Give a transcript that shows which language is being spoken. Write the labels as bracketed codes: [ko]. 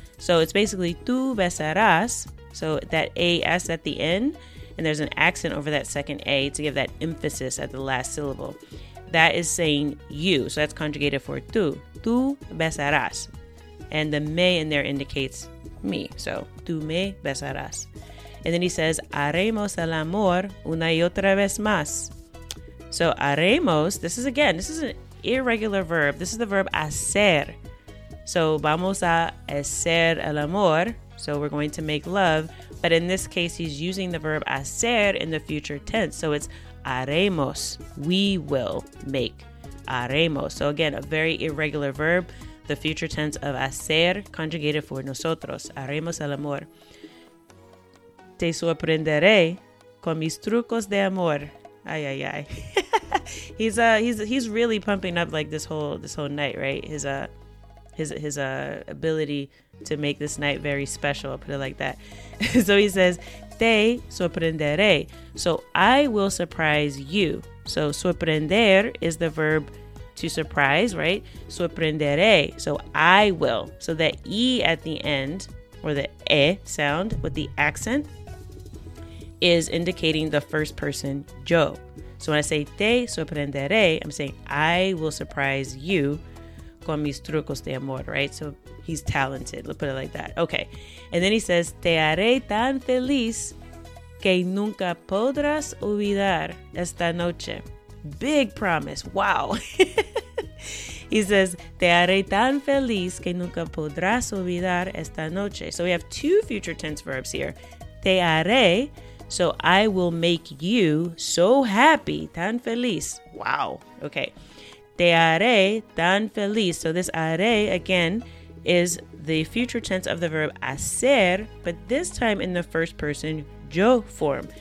[en] So it's basically [es] tú besarás. [en] So that A-S at the end, and there's an accent over that second A to give that emphasis at the last syllable. That is saying you. So that's conjugated for tú. [es] Tú besarás. [en] And the me in there indicates me. [es] So, tú me besarás. [en] And then he says, [es] haremos el amor una y otra vez más. [en] So, haremos, this is an irregular verb. This is the verb hacer. So, [es] vamos a hacer el amor. [en] So, we're going to make love. But in this case, he's using the verb hacer in the future tense. So, it's haremos. We will make. Haremos. So, again, a very irregular verb. The future tense of hacer, conjugated for nosotros. [es] Haremos el amor. Te sorprenderé con mis trucos de amor. Ay, ay, ay. [en] he's really pumping up like this whole night, right? His ability to make this night very special. I'll put it like that. So he says, [es] te sorprenderé. [en] So I will surprise you. So sorprender is the verb to surprise, right? Sorprenderé. So I will. So that E at the end, or the E sound with the accent, is indicating the first person, yo. So when I say [es] te sorprenderé, [en] I'm saying I will surprise you [es] con mis trucos de amor, [en] right? So he's talented. Let's put it like that. Okay. And then he says, [es] te haré tan feliz que nunca podrás olvidar esta noche. [en] Big promise. Wow. He says, [es] te haré tan feliz que nunca podrás olvidar esta noche. [en] So we have two future tense verbs here. [es] Te haré, [en] so I will make you so happy, [es] tan feliz. [en] Wow. Okay. [es] Te haré tan feliz. [en] So this haré, again, is the future tense of the verb hacer, but this time in the first person, yo form.